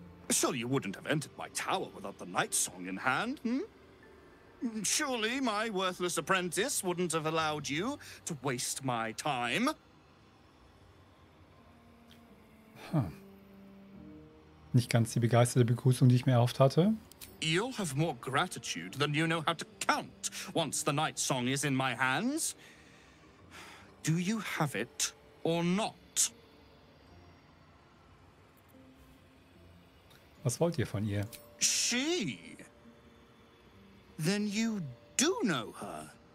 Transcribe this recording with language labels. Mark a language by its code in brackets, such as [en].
[en] Surely you wouldn't have entered my tower without the night song in hand, hmm? Surely my worthless apprentice wouldn't have allowed you to waste my time. Huh. [de] Nicht ganz die begeisterte Begrüßung, die ich mir erhofft hatte. [en] You'll have more gratitude than you know how to count once the night song is in my hands. Do you have it or not? [de] Was wollt ihr von ihr? [en] She? Then you do know her.